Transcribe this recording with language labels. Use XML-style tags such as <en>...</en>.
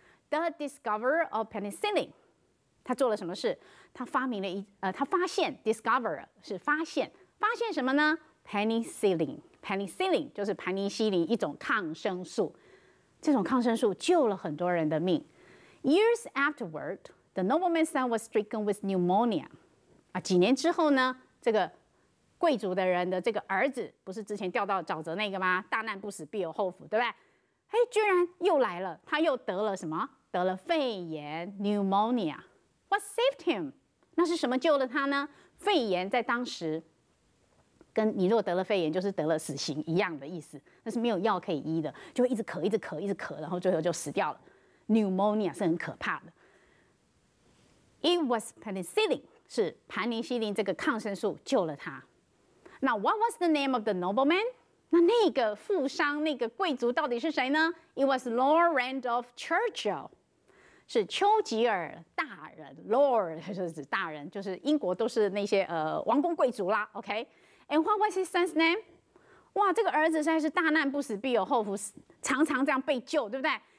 <en>The discoverer of penicillin，</en> <zh>他做了什么事？他发明了他发现 discoverer 是发现，发现什么呢 ？Penicillin 就是盘尼西林，一种抗生素。这种抗生素救了很多人的命。</zh> <en>Years afterward, the nobleman's son was stricken with pneumonia。</en> <zh>啊，几年之后呢，这个贵族的人的这个儿子不是之前掉到沼泽那个吗？大难不死必有后福，对吧？嘿，居然又来了，他又得了什么？得了肺炎</zh> <en>pneumonia。What saved him？</en> <zh>那是什么救了他呢？肺炎在当时跟你如果得了肺炎就是得了死刑一样的意思，那是没有药可以医的，就会一直咳一直咳一直咳，然后最后就死掉了。 pneumonia 是很可怕的。</zh> <en>It was penicillin，</en> <zh>是盘尼西林这个抗生素救了他。</zh> <en>Now, what was the name of the nobleman?</en> <zh>那个富商，那个贵族到底是谁呢？</zh> <en>It was Lord Randolph Churchill.</en> <zh>是丘吉尔大人， Lord 就是指大人，就是英国都是那些王公贵族啦， OK?</zh> <en>And what was his son's name?</en> <zh>哇，这个儿子实在是大难不死必有后福，常常这样被救，对不对？</zh>